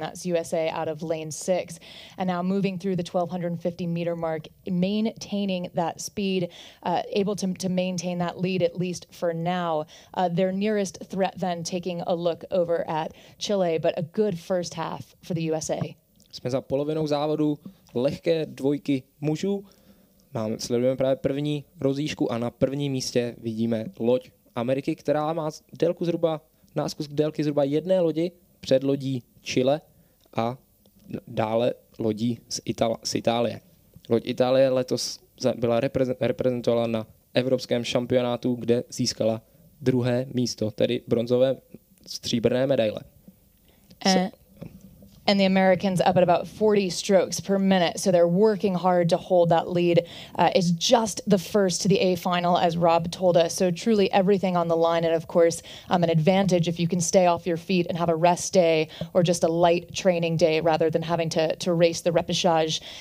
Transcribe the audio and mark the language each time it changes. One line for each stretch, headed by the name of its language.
English: That's USA out of lane six. And now moving through the 1,250-meter mark, maintaining that speed, able to maintain that lead, at least for now. Their nearest threat then, taking a look over at Chile, but a good first half for the USA.
Czech: Jsme za polovinou závodu, lehké dvojky mužů. Sledujeme právě první rozjížku a na prvním místě vidíme loď Ameriky, která má náskok délky zhruba jedné lodi před lodí Chile a dále lodí z Itálie. Loď Itálie letos byla reprezentovala na evropském šampionátu, kde získala druhé místo, tedy bronzové stříbrné medaile.
English: and the Americans up at about 40 strokes per minute. So they're working hard to hold that lead. It's just the first to the A final, as Rob told us. So truly everything on the line. And of course, an advantage if you can stay off your feet and have a rest day or just a light training day rather than having to race the repechage.